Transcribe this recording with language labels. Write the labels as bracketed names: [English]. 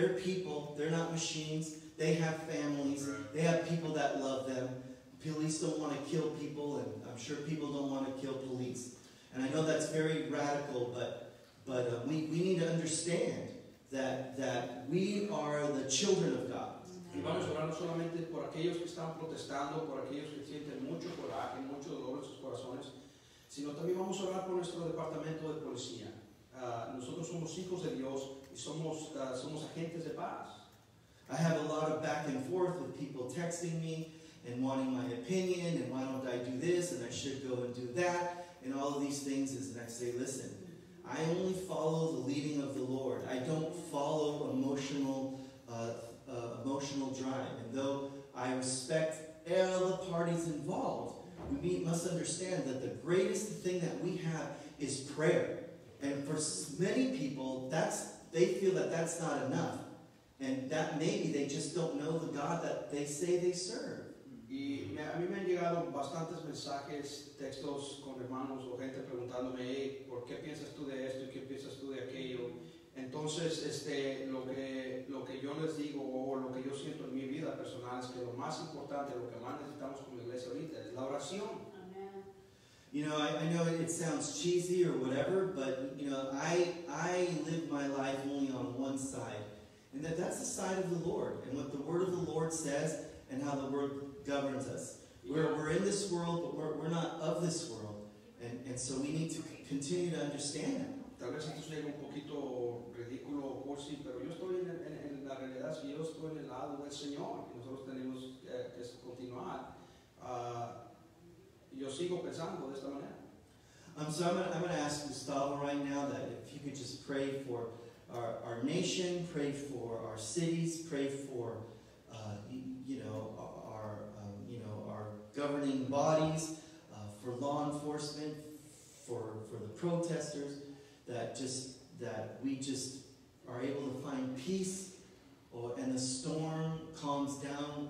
[English] They're people. They're not machines. They have families. They have people that love them. Police don't want to kill people, and I'm sure people don't want to kill police. And I know that's very radical, but we need to understand that we are the children of God. [Spanish] Y vamos a orar solamente por aquellos que están protestando, por aquellos que sienten mucho coraje, mucho dolor en sus corazones, sino también vamos a orar por nuestro departamento de policía. Nosotros somos hijos de Dios y somos agentes de paz. [English] I have a lot of back and forth with people texting me and wanting my opinion, and why don't I do this, and I should go and do that, and all of these things. Is that I say, listen, I only follow the leading of the Lord. I don't follow emotional drive. And though I respect all the parties involved, we must understand that the greatest thing that we have is prayer. And for many people, they feel that that's not enough. And that maybe they just don't know the God that they say they serve. [Spanish] Y a mí me han llegado bastantes mensajes, textos con hermanos o gente preguntándome, hey, ¿por qué piensas tú de esto y qué piensas tú de aquello? Entonces, lo que yo les digo, o lo que yo siento en mi vida personal, es que lo más importante, lo que más necesitamos como iglesia ahorita, es la oración. [English] You know, I know it sounds cheesy or whatever, but you know, I live my life only on one side, and that's the side of the Lord and what the Word of the Lord says and how the Word governs us. We're in this world, but we're not of this world, and so we need to continue to understand that. [Spanish] Tal vez esto sea un poquito ridículo o cursi, pero yo estoy en la realidad, si yo estoy en el lado del Señor, y nosotros tenemos que continuar. Yo sigo pensando de esta manera. [English] I'm going to ask Gustavo right now that if you could just pray for our nation, pray for our cities, pray for our governing bodies, for law enforcement, for the protesters, that we just are able to find peace, and the storm calms down.